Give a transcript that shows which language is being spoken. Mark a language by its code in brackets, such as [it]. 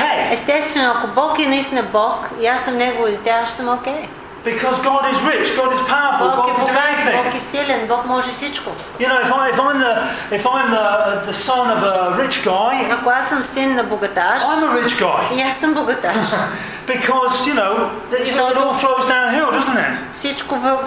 [bg] Естествено, ако Бог е наистина Бог и аз съм Негово дете, аз съм окей. [en] Because God is rich, God is powerful, [bg] Бог е богат, Бог е силен, Бог може всичко. [en] You know, if I'm the son of a rich guy, [bg] ако аз съм син на богаташ, [en] I'm a rich guy. [bg] И аз съм богаташ. [en] Because you know, it all flows downhill, doesn't it?